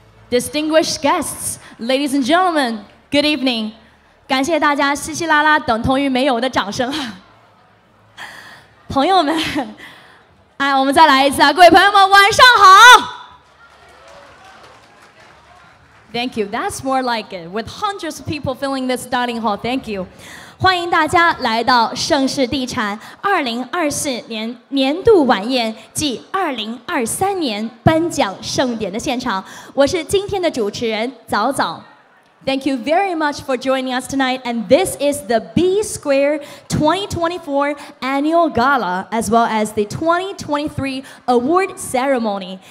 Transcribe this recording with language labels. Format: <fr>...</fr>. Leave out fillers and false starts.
<en>Distinguished guests, ladies and gentlemen, good evening.</en> <zh>感谢大家稀稀拉拉等同于没有的掌声。朋友们，哎，我们再来一次啊！各位朋友们，晚上好。</zh> <en>Thank you. That's more like it. With hundreds of people filling this dining hall. Thank you.</en> <zh>欢迎大家来到盛世地产2024年年度晚宴暨2023年颁奖盛典的现场。我是今天的主持人早早。</zh> <en>Thank you very much for joining us tonight. And this is the B Square 2024 Annual Gala, as well as the 2023 Award Ceremony.</en>